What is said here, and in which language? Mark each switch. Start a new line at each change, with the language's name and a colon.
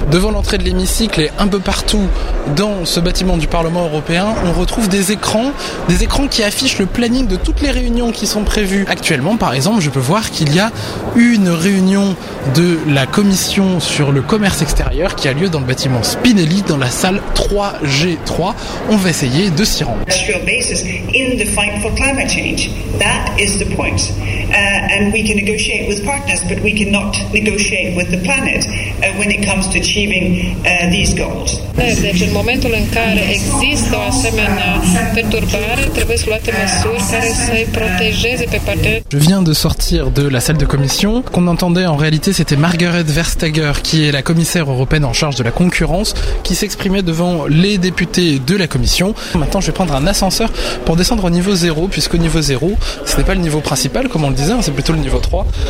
French: Devant l'entrée de l'hémicycle et un peu partout dans ce bâtiment du Parlement européen, on retrouve des écrans qui affichent le planning de toutes les réunions qui sont prévues. Actuellement, par exemple, je peux voir qu'il y a une réunion de la commission sur le commerce extérieur qui a lieu dans le bâtiment Spinelli, dans la salle 3G3. On va essayer de s'y rendre.
English: Industrial basis in the fight for climate change. That is the point. And we can negotiate with partners, but we cannot negotiate with the planet when it comes to achieving these goals.
Romanian: Deci, în momentul în care există o asemenea perturbare, trebuie să luate măsuri care să îi protejeze pe parteneri.
French: Je viens de sortir de la salle de commission. Qu'on entendait en réalité, c'était Margrethe Vestager, qui est la commissaire européenne en charge de la concurrence, qui s'exprimait devant les députés de la commission. Maintenant, je vais prendre un ascenseur pour descendre au niveau 0, puisqu'au niveau 0, ce n'est pas le niveau principal, comme on le disait, c'est plutôt le niveau 3.